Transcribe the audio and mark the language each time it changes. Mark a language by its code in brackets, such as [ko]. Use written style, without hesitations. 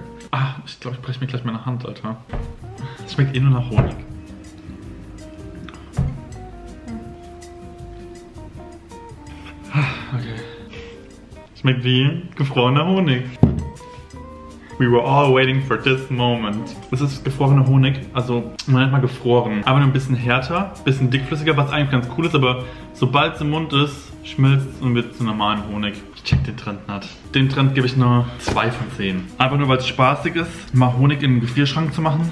[de] Ah, ich glaube, ich breche mir gleich meine Hand, Alter. Das schmeckt eh nur nach Honig. Okay. Schmeckt wie gefrorener Honig. [en] We were all waiting for this moment. [de] Das ist gefrorener Honig, also man hat mal gefroren. Aber nur ein bisschen härter, ein bisschen dickflüssiger, was eigentlich ganz cool ist, aber sobald es im Mund ist, schmilzt es und wird zu normalen Honig. Ich check den Trend nicht. Dem Trend gebe ich nur 2 von 10. Einfach nur, weil es spaßig ist, mal Honig in den Gefrierschrank zu machen.